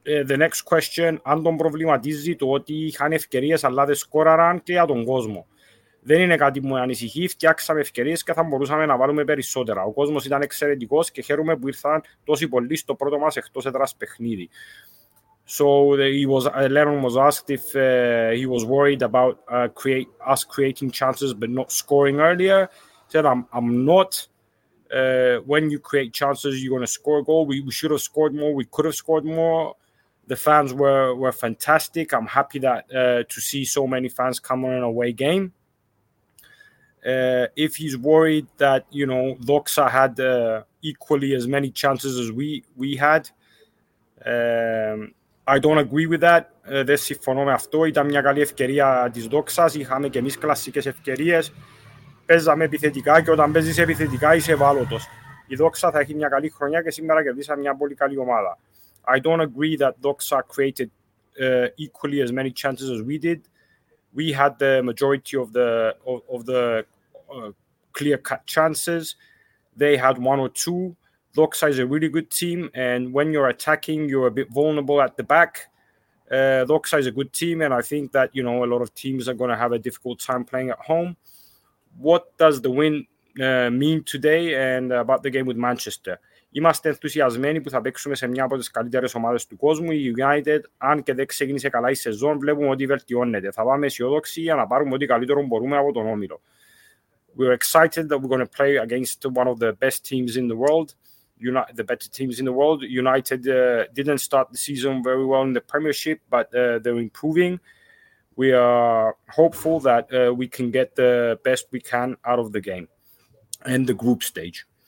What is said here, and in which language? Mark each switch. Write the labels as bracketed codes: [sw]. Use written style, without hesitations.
[en] The next question, [el] αν τον προβληματίζει το ότι είχαν ευκαιρίες αλλά δεν σκόραραν και για τον κόσμο. Δεν είναι κάτι που με ανησυχεί, φτιάξαμε ευκαιρίες και θα μπορούσαμε να βάλουμε περισσότερα. Ο κόσμος ήταν εξαιρετικός και χαίρομαι που ήρθαν τόσοι πολλοί στο πρώτο μας εκτός έδρας παιχνίδι. [en] So Leron was asked if he was worried about us creating chances but not scoring earlier. Said I'm not. When you create chances, you're going to score a goal. We should have scored more. We could have scored more. The fans were fantastic. I'm happy that to see so many fans come on an away game. If he's worried that, you know, Doxa had equally as many chances as we had, I don't agree with that. [el] Δεν συμφωνώ με αυτό. Ήταν μια καλή ευκαιρία της Doxa. Είχαμε και εμείς κλασικές ευκαιρίες. Παίζαμε επιθετικά και όταν παίζεις επιθετικά είσαι ευάλωτος. Η Doxa θα έχει μια καλή χρονιά και σήμερα κερδίσαμε μια πολύ καλή ομάδα. [en] I don't agree that Doxa created equally as many chances as we did. We had the majority of the clear-cut chances. They had one or two. Doxa is a really good team, and when you're attacking, you're a bit vulnerable at the back. Doxa is a good team, and I think that, you know, a lot of teams are going to have a difficult time playing at home. What does the win mean today and about the game with Manchester? [el] Είμαστε ενθουσιασμένοι που θα παίξουμε σε μια από τις καλύτερες ομάδες του κόσμου, η United. Αν και δεν ξεκίνησε καλά η σεζόν, βλέπουμε ότι βελτιώνεται. Θα πάμε αισιόδοξοι για να πάρουμε ό,τι καλύτερο μπορούμε από τον Όμιλο. [en] We're excited that we're going to play against one of the best teams in the world. The better teams in the world. United didn't start the season very well in the Premiership, but they're improving. We are hopeful that we can get the best we can out of the game and the group stage.